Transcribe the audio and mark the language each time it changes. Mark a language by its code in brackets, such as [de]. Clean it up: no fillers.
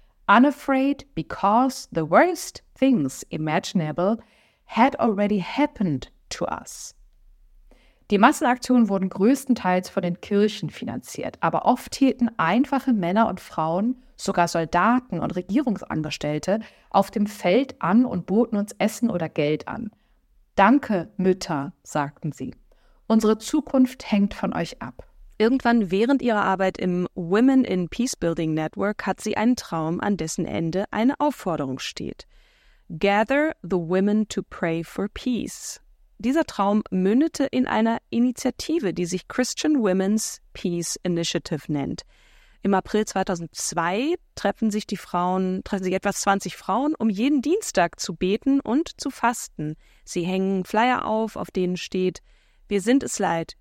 [en] Unafraid because the worst things imaginable had already happened to us.« [de] Die Massenaktionen wurden größtenteils von den Kirchen finanziert, aber oft hielten einfache Männer und Frauen, sogar Soldaten und Regierungsangestellte, auf dem Feld an und boten uns Essen oder Geld an. Danke, Mütter, sagten sie. Unsere Zukunft hängt von euch ab. Irgendwann während ihrer Arbeit im Women in Peacebuilding Network hat sie einen Traum, an dessen Ende eine Aufforderung steht. [en] Gather the women to pray for peace. [de] Dieser Traum mündete in einer Initiative, die sich Christian Women's Peace Initiative nennt. Im April 2002 treffen sich etwa 20 Frauen, um jeden Dienstag zu beten und zu fasten. Sie hängen Flyer auf denen steht: Wir sind es leid.